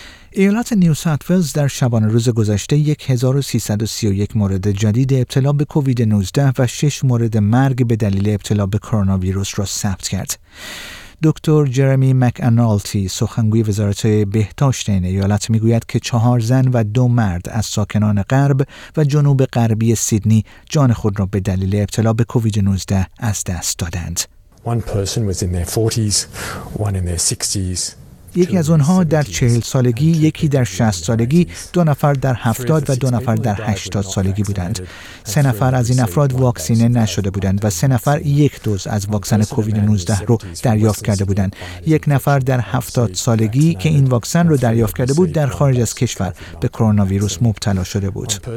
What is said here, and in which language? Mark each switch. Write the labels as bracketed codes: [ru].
[fa] ایالت نیو ساوت ولز در شبانه روز گذشته 1331 مورد جدید ابتلا به کووید 19 و 6 مورد مرگ به دلیل ابتلا به کرونا ویروس را ثبت کرد. دکتر جرمی مک‌آنالتی، سخنگوی وزارت بهداشت این ایالت میگوید که 4 زن و 2 مرد از ساکنان غرب و جنوب غربی سیدنی جان خود را به دلیل ابتلا به کووید 19 از دست دادند. [en] One person was in their 40s, one in their 60s. [fa] یکی از آنها در 40 سالگی، یکی در 60 سالگی، 2 نفر در 70 و 2 نفر در 80 سالگی بودند. 3 نفر از این افراد واکسینه نشده بودند و 3 نفر یک دوز از واکسن کووید 19 رو دریافت کرده بودند. یک نفر در 70 سالگی که این واکسن رو دریافت کرده بود در خارج از کشور به کرونا ویروس مبتلا شده بود.